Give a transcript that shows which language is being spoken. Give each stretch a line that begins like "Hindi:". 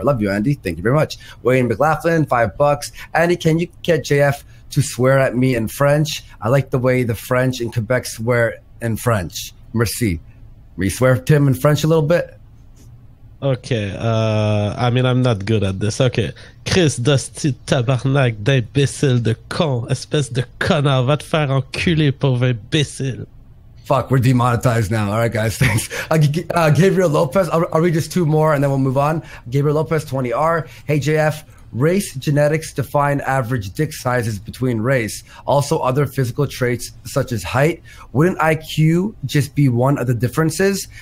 English: I love you, Andy. Thank you very much. Wayne McLaughlin, $5. Andy, can you get JF to swear at me in French? I like the way the French in Quebec swear in French. Merci. Can you swear to him in French a little bit? Okay, I mean, I'm not good at this. Okay.
French: Chris, dusty tabarnak d'imbécile de con, espèce de connard, va te faire enculer, pauvre imbécile.
English: Fuck, we're demonetized now. All right, guys, thanks. Gabriel Lopez, I'll read just two more and then we'll move on. Gabriel Lopez, $20. Hey, JF, race genetics define average dick sizes between race. Also, other physical traits such as height. Wouldn't IQ just be one of the differences?